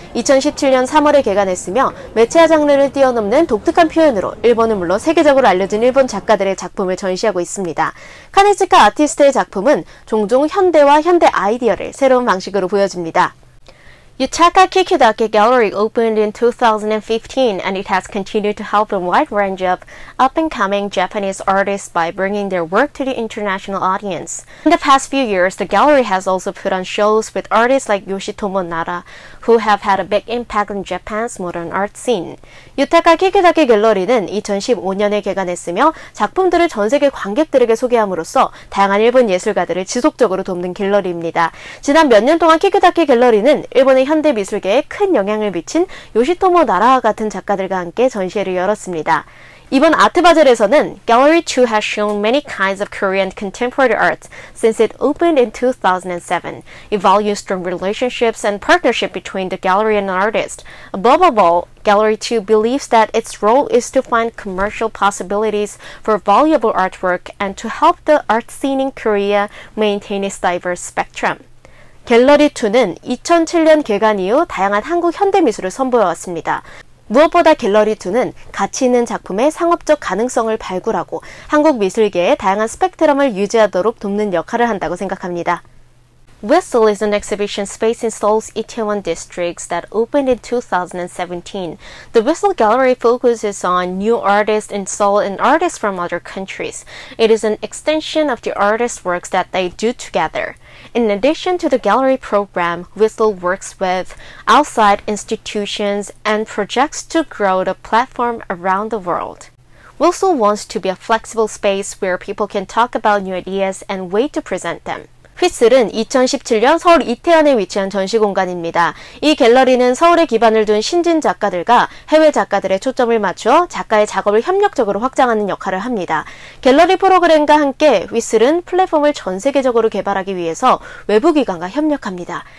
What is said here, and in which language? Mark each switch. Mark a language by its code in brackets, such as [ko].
[ko] 2017년 3월에 개관했으며 매체 장르를 뛰어넘는 독특한 표현으로 일본은 물론 세계적으로 알려진 일본 작가들의 작품을 전시하고 있습니다. 카네치카 아티스트의 작품은 종종 현대와 현대 아이디어를 새로운 방식으로 보여줍니다. [en] Yutaka Kikudake Gallery opened in 2015 and it has continued to help a wide range of up-and-coming Japanese artists by bringing their work to the international audience. In the past few years, the gallery has also put on shows with artists like Yoshitomo Nara, who have had a big impact on Japan's modern art scene. [ko] Yutaka Kikudake Gallery는 2015년에 개관했으며 작품들을 전 세계 관객들에게 소개함으로써 다양한 일본 예술가들을 지속적으로 돕는 갤러리입니다. 지난 몇 년 동안 Kikudake Gallery는 일본 현대 미술계에 큰 영향을 미친 요시토모 나라와 같은 작가들과 함께 전시회를 열었습니다. 이번 아트바젤에서는 [en] Gallery 2 has shown many kinds of Korean contemporary art since it opened in 2007. It values strong relationships and partnership between the gallery and the artist. Above all, Gallery 2 believes that its role is to find commercial possibilities for valuable artwork and to help the art scene in Korea maintain its diverse spectrum. [ko] 갤러리2는 2007년 개관 이후 다양한 한국 현대미술을 선보여왔습니다. 무엇보다 갤러리2는 가치 있는 작품의 상업적 가능성을 발굴하고 한국 미술계의 다양한 스펙트럼을 유지하도록 돕는 역할을 한다고 생각합니다. [en] Whistle is an exhibition space in Seoul's Itaewon districts that opened in 2017. The Whistle Gallery focuses on new artists in Seoul and artists from other countries. It is an extension of the artists' works that they do together. In addition to the gallery program, Whistle works with outside institutions and projects to grow the platform around the world. Whistle wants to be a flexible space where people can talk about new ideas and way to present them. [ko] 휘슬은 2017년 서울 이태원에 위치한 전시 공간입니다. 이 갤러리는 서울에 기반을 둔 신진 작가들과 해외 작가들의 초점을 맞춰 작가의 작업을 협력적으로 확장하는 역할을 합니다. 갤러리 프로그램과 함께 휘슬은 플랫폼을 전 세계적으로 개발하기 위해서 외부 기관과 협력합니다.